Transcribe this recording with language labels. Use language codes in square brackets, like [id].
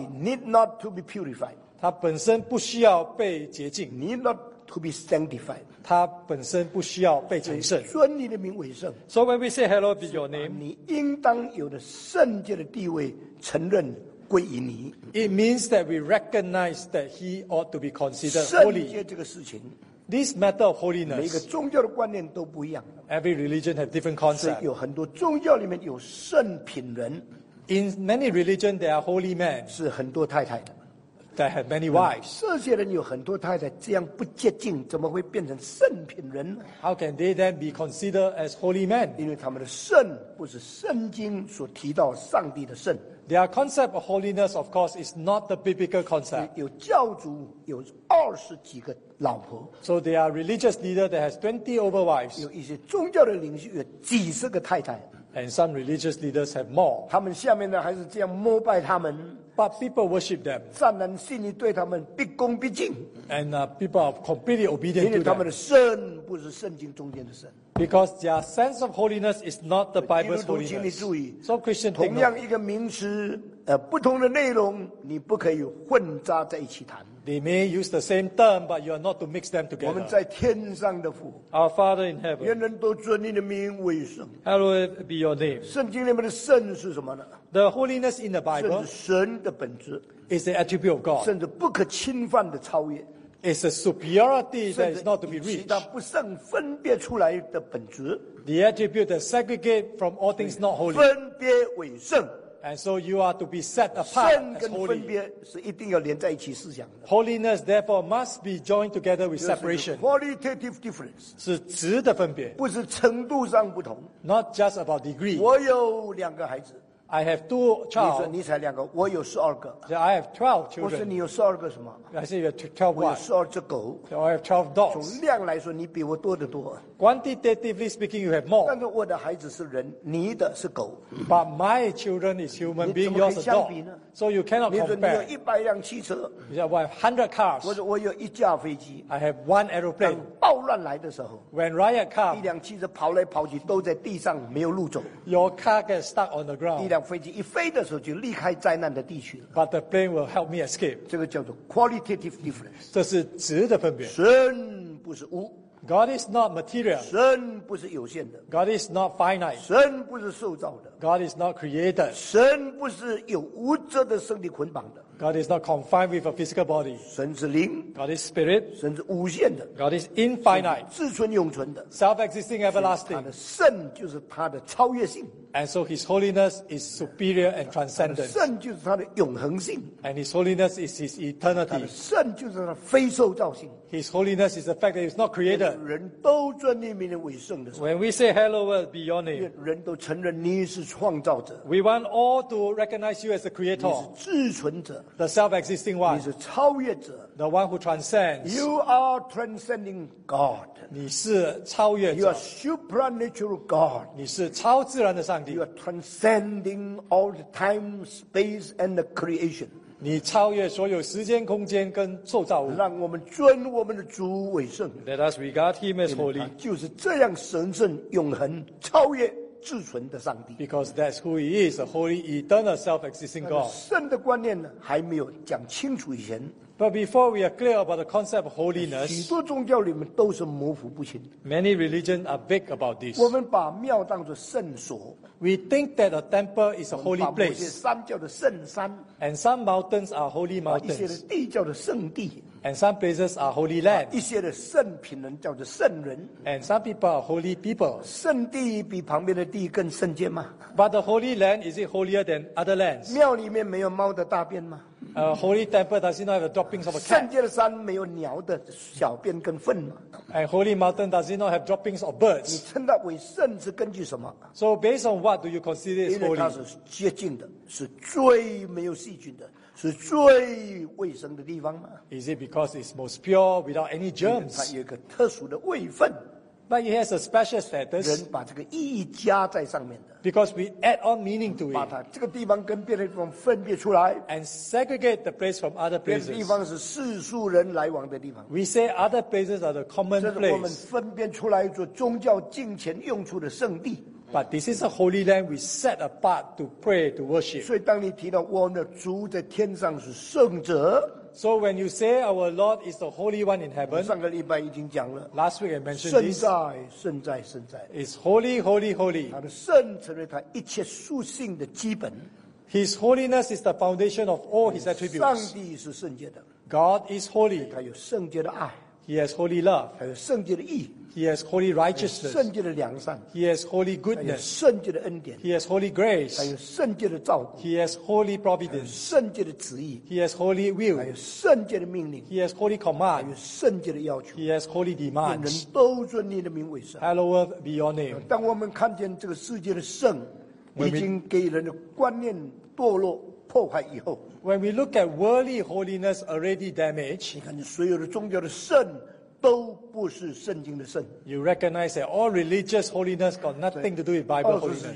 [en] He need not to be purified. [zh] 他本身不需要被洁净 [en] Need not to be sanctified. [zh] 他本身不需要被成圣尊你的名为圣 [en] So when we say hello be your name [zh] 你应当有的圣洁的地位承认归于你 [en] It means that we recognize that he ought to be considered holy. [zh] 圣洁这个事情 [en] This matter of holiness. [zh] 每个宗教的观念都不一样 [en] Every religion has different concepts. [zh] 有很多宗教里面有圣品人 [en] In many religions, there are holy men. [zh] 是很多太太的 [en] that had many wives. [zh] 这些人有很多太太，这样不洁净，怎么会变成圣品人呢？ [en] How can they then be considered as holy men? [zh] 因为他们的圣不是圣经所提到上帝的圣。 [en] Their concept of holiness, of course, is not the biblical concept. [zh] 有教主有二十几个老婆。 [en] So they are religious leader that has 20 over wives. [zh] 有一些宗教的领袖有几十个太太。 [en] And some religious leaders have more. [zh] 他们下面呢还是这样膜拜他们。 [en] But people worship them. [zh] 善男信女对他们毕恭毕敬。 [en] And people are completely obedient to them. [zh] 因为他们的圣不是圣经中间的圣。 [en] Because their sense of holiness is not the Bible's holiness. So Christian, [zh] 同样一个名词，不同的内容，你不可以混杂在一起谈。 [en] They may use the same term, but you are not to mix them together. [zh] 我们在天上的父 [en] ，Our Father in heaven. [zh] 愿人都尊你的名为圣。 [en] Hallowed be your name. [zh] 圣经里面的圣是什么呢 [en] ？The holiness in the Bible. [zh] 甚至神的本质 [en] is the attribute of God. [zh] 甚至不可侵犯的超越。 [en] It's a superiority that is not to be reached. [zh] 其他不胜分别出来的本质。 [en] The attribute that segregate from all things not holy. [zh] 分别为圣。 [en] And so you are to be set apart as holy. [zh] 圣跟分别是一定要连在一起思想的。 [en] Holiness therefore must be joined together with separation. Qualitative difference. [zh] 是质的分别。不是程度上不同。 [en] Not just about degree. [zh] 我有两个孩子。 [en] I have two children. [zh] 你说你才两个，我有十二个。 [en] So I have 12 children. [zh] 我说你有十二个什么 [en] ？I say you have 12 what? [zh] 我有十二只狗。 [en] So I have 12 dogs. [zh] 从量来说，你比我多得多。 [en] Quantitatively speaking, you have more. [zh] 但是我的孩子是人，你的是狗。 [en] But my children is human being, yours is dog. So you cannot compare. [zh] 你说你有一百辆汽车。 [en] You say I have 100 cars. [zh] 我说我有一架飞机。 [en] I have one aeroplane. [zh] 暴乱来的时候 [en] ，When riot comes, [zh] 一辆汽车跑来跑去都在地上没有路走。 [en] Your car gets stuck on the ground. [zh] 飞机一飞的时候就离开灾难的地区了。 [en] But the plane will help me escape. [zh] 这个叫做 [en] qualitative difference. [zh] 这是质的分别。神不是无。 [en] God is not material. [zh] 神不是有限的。 [en] God is not finite. [zh] 神不是受造的。 [en] God is not created. [zh] 神不是有物质的身体捆绑的。 [en] God is not confined with a physical body. [zh] 神是灵。 [en] God is spirit. [zh] 神是无限的。 [en] God is infinite. [zh] 自存永存的。 [en] Self-existing, everlasting. [zh] 他的圣就是他的超越性。 [en] And so His holiness is superior and transcendent. [zh] 圣就是他的永恒性。 [en] And His holiness is His eternity. [zh] 圣就是他的非受造性。 [en] His holiness is the fact that He is not created. [zh] 人都尊你名为圣的。 [en] When we say Hallowed be your name, [zh] 人都承认你是创造者。 [en] We want all to recognize you as the creator. [zh] 你是自存者。 [en] The self-existing one. [zh] 你是超越者。 [en] The one who transcends. You are transcending God. [zh] 你是超越者。 [en] You are supernatural God. [zh] 你是超自然的上帝。 [en] You are transcending all the time, space, and the creation. [zh] 你超越所有时间、空间跟受造物。让我们尊我们的主为圣。 [en] Let us regard Him as holy. [zh] 就是这样神圣、永恒、超越。至纯的上帝 [en] ，because that's who he is, a holy, eternal, self-existing God. [zh] 圣的观念还没有讲清楚以前 [en] ，but before we are clear about the concept of holiness, [zh] 许多宗教里面都是模糊不清。 [en] Many religions are vague about this. [zh] 我们把庙当作圣所 [en] ，we think that a temple is a holy place. [zh] 我们把某些山叫做圣山 [en] ，and some mountains are holy mountains. [zh] 一些的地叫做圣地。 [en] And some places are holy land. [zh] 一些的圣品人叫做圣人。 [en] And some people are holy people. [zh] 圣地比旁边的地更圣洁吗 [en] ？But the holy land is it holier than other lands? [zh] 庙里面没有猫的大便吗 [en] ？Holy temple does it not have the droppings of a cat? [zh] 圣洁的山没有鸟的小便跟粪吗 [en] ？And holy mountain does it not have droppings of birds? [zh] 你称它为圣是根据什么 [en] ？So based on what do you consider it holy? [zh] 因为它是洁净的，是最没有细菌的。是最卫生的地方吗 [en] ？Is it because it's most pure without any germs？ [zh] 它有一个特殊的位分 [en] ，But it has a special status。 [zh] 人把这个意义加在上面的 [en] ，Because we add on meaning to it。 [zh] 把它这个地方跟别的地方分别出来 [en] ，And segregate the place from other places。 [zh] 别的地方是世俗人来往的地方。 [en] We say other places are the common place。 [zh] 这是我们分辨出来做宗教敬虔用处的圣地。 [en] But this is a holy land we set apart to pray to worship. [zh] 所以当你提到我们的主在天上是圣者 [en] ，So when you say our Lord is the Holy One in heaven, [zh] 上个礼拜已经讲了 [en] ，Last week I mentioned this. [zh] 圣在，圣在，圣在 [en] ，It's holy, holy, holy. [zh] 他的圣成为他一切属性的基本。 [en] His holiness is the foundation of all his attributes. [zh] 上帝是圣洁的 [en] ，God is holy. [zh] 他有圣洁的爱。 [en] He has holy love. [zh] 还有圣洁的义。 [en] He has holy righteousness. [zh] 圣洁的良善。 [en] He has holy goodness. [zh] 还有圣洁的恩典。 [en] He has holy grace. [zh] 还有圣洁的照顾。 [en] He has holy providence. [zh] 还有圣洁的旨意。 [en] He has holy will. [zh] 还有圣洁的命令。 [en] He has holy command. [zh] 还有圣洁的要求。 [en] He has holy demands. [zh] 人都尊你的名为圣。 [en] Hallowed be your name. [zh] 当我们看见这个世界的圣已经给人的观念堕落破坏以后。 [en] When we look at worldly holiness already damaged, [zh] 你看你所有的宗教的圣都不是圣经的圣。 [en] You recognize that all religious holiness got nothing to do with Bible holiness.